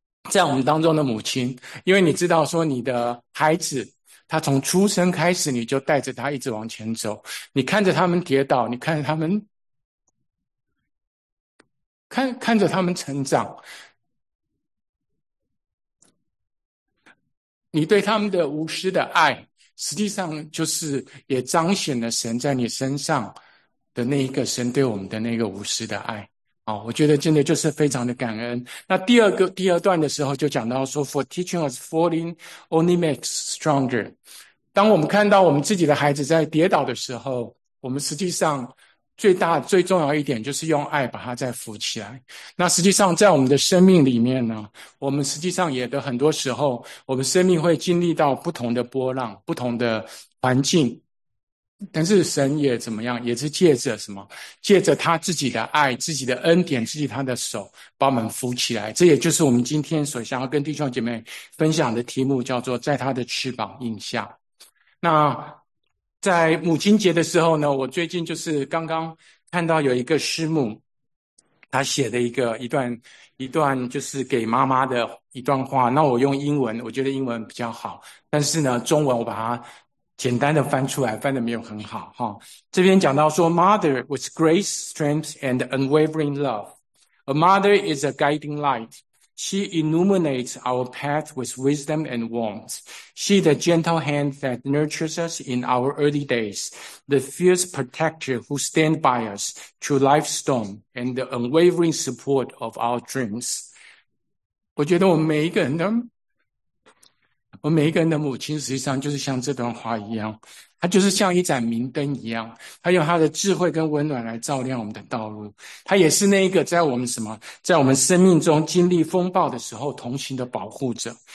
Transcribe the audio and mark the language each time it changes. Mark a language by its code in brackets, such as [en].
[zh] 在我们当中的母亲，因为你知道说你的孩子，他从出生开始，你就带着他一直往前走，你看着他们跌倒，你看着他们，看着他们成长，你对他们的无私的爱，实际上就是也彰显了神在你身上的那一个神对我们的那个无私的爱。哦，我觉得真的就是非常的感恩。那第二段的时候就讲到说， [en] For teaching us falling only makes stronger。 [zh] 当我们看到我们自己的孩子在跌倒的时候，我们实际上最大最重要一点就是用爱把他再扶起来。那实际上在我们的生命里面呢，我们实际上也的很多时候，我们生命会经历到不同的波浪、不同的环境。但是神也怎么样，也是借着什么？借着他自己的爱、自己的恩典、自己他的手，把我们扶起来。这也就是我们今天所想要跟弟兄姐妹分享的题目，叫做“在他的翅膀印下”。那在母亲节的时候呢，我最近就是刚刚看到有一个师母，她写的一段就是给妈妈的一段话。那我用英文，我觉得英文比较好，但是呢，中文我把它。简单的翻出来，翻的没有很好哈。这边讲到说， [en] Mother with grace, strength, and unwavering love. A mother is a guiding light. She illuminates our path with wisdom and warmth. She is the gentle hand that nurtures us in our early days. The fierce protector who stands by us through life's storm and the unwavering support of our dreams. [zh] 我觉得我们每一个人呢。我每一个人的母亲，实际上就是像这段话一样，他就是像一盏明灯一样，他用他的智慧跟温暖来照亮我们的道路。他也是那一个在我们什么，在我们生命中经历风暴的时候同行的保护者。